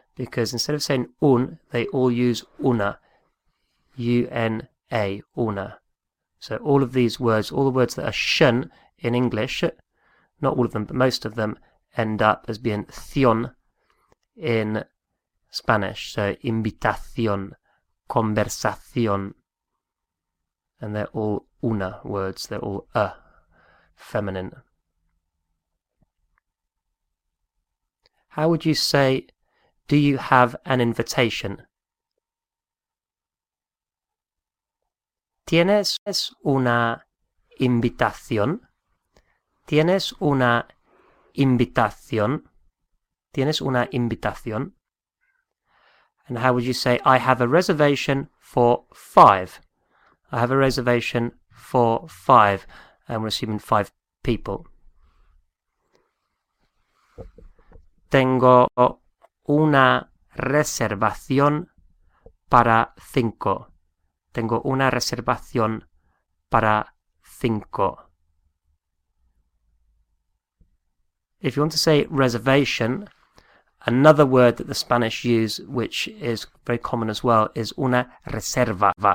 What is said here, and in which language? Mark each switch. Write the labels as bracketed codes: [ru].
[en] Because instead of saying un, they all use una. UNA, una. So all of these words, all the words that are shun in English, not all of them, but most of them, end up as being thion in Spanish. So invitación, conversación. And they're all una words. They're all a, feminine. How would you say, do you have an invitation? [es] ¿Tienes una invitación? ¿Tienes una invitación? ¿Tienes una invitación? [en] And how would you say, I have a reservation for five? I have a reservation for five. And we're assuming five people. [es] Tengo una reservación para cinco. Tengo una reservación para cinco. [en] If you want to say reservation, another word that the Spanish use, which is very common as well, is una reserva.